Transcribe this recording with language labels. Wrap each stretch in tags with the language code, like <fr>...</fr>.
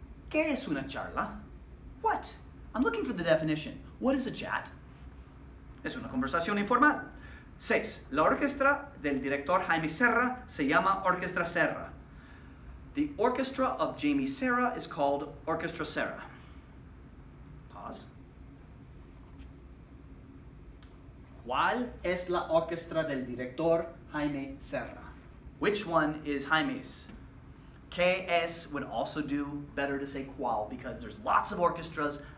<es>¿Qué es una charla?</es> <en>What? I'm looking for the definition. What is a chat?</en> <es>Es una conversación informal. Six, la orquesta del director Jaime Serra se llama Orquesta Serra.</es> <en>The orchestra of Jaime Serra is called Orquesta Serra. Pause.</en> <es>¿Cuál es la orquesta del director Jaime Serra?</es> <en>Which one is Jaime's? KS would also do better to say cuál because there's lots of orchestras.</en>